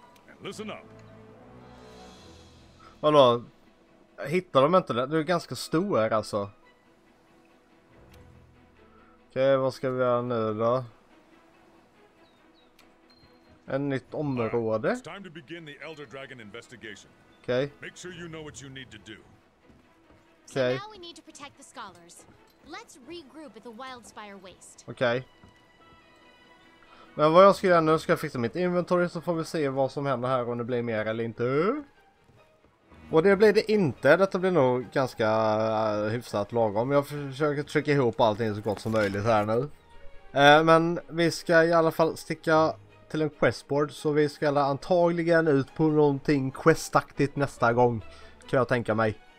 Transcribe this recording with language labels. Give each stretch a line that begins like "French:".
English: And listen up.
Swedish: Vadå? Hittar de inte det? Du är ganska stor här alltså. Okej, vad ska vi göra nu då? En nytt område?
English: It's time to begin the Elder Dragon investigation.
Swedish: Okej.
English: Make sure you know what you need to do.
Swedish: Okej.
English: So now we need to protect the scholars. Let's regroup at the Wildspire Waste.
Swedish: Okej. Men vad jag ska göra nu, ska jag fixa mitt inventory så får vi se vad som händer här, om det blir mer eller inte. Och det blir det inte, detta blir nog ganska hyfsat lagom. Jag försöker trycka ihop allting så gott som möjligt här nu. Men vi ska i alla fall sticka till en questboard, så vi ska antagligen ut på någonting questaktigt nästa gång, kan jag tänka mig.